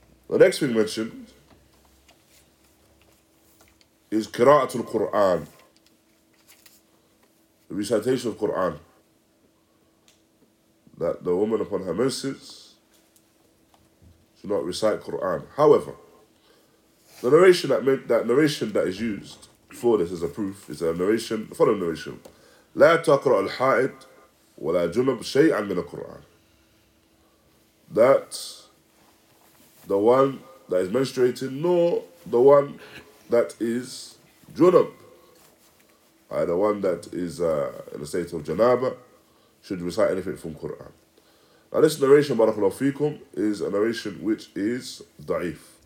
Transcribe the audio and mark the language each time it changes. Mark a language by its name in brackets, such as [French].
[English] The next thing mentioned is Qira'atul Qur'an, the recitation of Qur'an, that the woman upon her menses should not recite Qur'an. However, the narration that is used for this as a proof is the following narration. [Arabic] لا تقرأ الحائط ولا جنب شيئا من القرآن. [English] That the one that is menstruating, nor the one that is junub, the one that is in a state of janaba, should recite anything from Quran. Now this narration, barakallahu fikum, is a narration which is da'if.